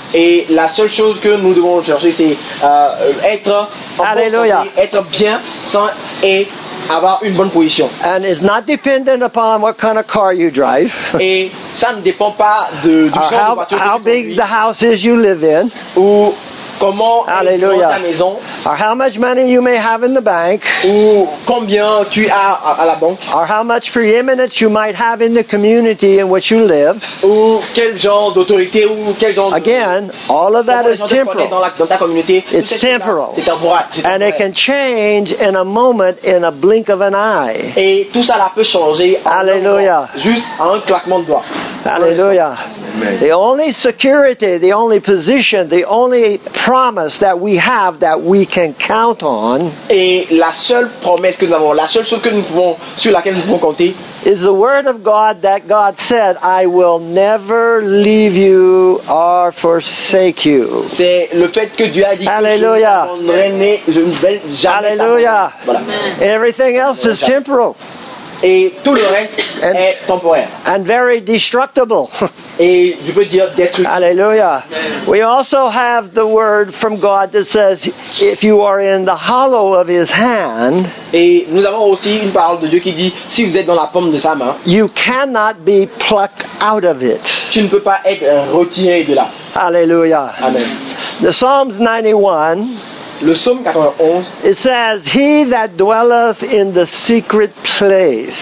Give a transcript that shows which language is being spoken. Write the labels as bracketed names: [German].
[French] Et la seule chose que nous devons chercher, c'est être Alléluia. Être bien sans et avoir une bonne position. [English] And it's not dependent upon what kind of car you drive. [French] Et ça ne dépend pas de du genre [English] how, [French] de voiture [English] how big [French] conduis, [English] the house is you live in. [French] Ou comment Alléluia. Est ta maison. [English] Or how much money you may have in the bank. [French] Ou combien tu as à la banque. [English] Or how much preeminence you might have in the community in which you live. [French] Ou quel genre d'autorité ou quel genre. [English] Again, [French] de, [English] all of that is temporal. [French] Dans ta communauté, [English] it's temporal. [French] C'est temporaire. C'est temporaire. [English] And it can change in a moment, in a blink of an eye. [French] Et tout ça là peut changer. Alléluia. Juste en un claquement de doigts. Alléluia. Amen. [English] The only security, the only position, the only promise that we have that we can count on. [French] Et la seule promesse que nous avons, la seule chose que nous pouvons, sur laquelle nous pouvons compter. [English] Is the word of God that God said, I will never leave you or forsake you. [French] C'est le fait que Dieu a dit. [English] Hallelujah. Hallelujah. Everything else is temporal. [French] Et tout le reste and, est temporaire. [English] And very destructible. [French] Et je peux dire détruit. [English] Hallelujah. We also have the word from God that says, if you are in the hollow of His hand, [French] et nous avons aussi une parole de Dieu qui dit, si vous êtes dans la paume de sa main, [English] you cannot be plucked out of it. [French] Tu ne peux pas être retiré de là. [English] Hallelujah. Amen. The Psalms 91. [French] Le psaume 91, [English] it says, he that dwelleth in the secret place.